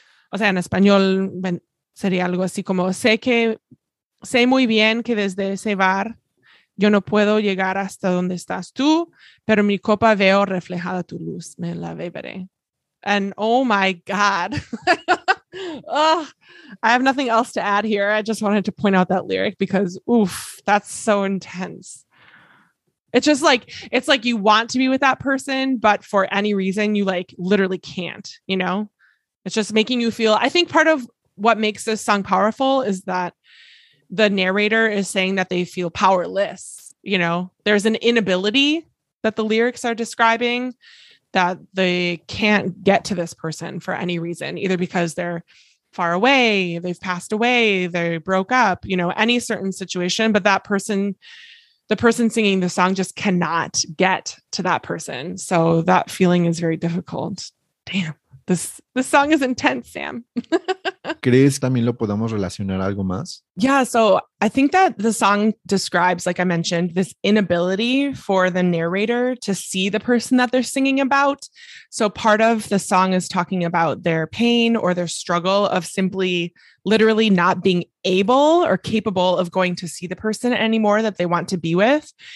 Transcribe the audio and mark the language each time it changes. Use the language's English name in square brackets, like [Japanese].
[Spanish] O sea, en español sería algo así como, sé muy bien que desde ese bar yo no puedo llegar hasta donde estás tú, pero mi copa veo reflejada tu luz, me la beberé. [English] And oh my God. Oh, I have nothing else to add here. I just wanted to point out that lyric because, oof, that's so intense. It's just like, it's like you want to be with that person, but for any reason, you like literally can't, you know? It's just making you feel, I think part of what makes this song powerful is that the narrator is saying that they feel powerless, you know? There's an inability that the lyrics are describing, that they can't get to this person for any reason, either because they're far away, they've passed away, they broke up, you know, any certain situation, but that person, the person singing the song just cannot get to that person. So that feeling is very difficult. Damn, this song is intense, Sam. [Spanish] ¿Crees también lo podemos relacionar algo más? [English] Yeah, so I think that the song describes, like I mentioned, this inability for the narrator to see the person that they're singing about. So part of the song is talking about their pain or their struggle of simply literally not being able or capable of going to see the person anymore that they want to be with.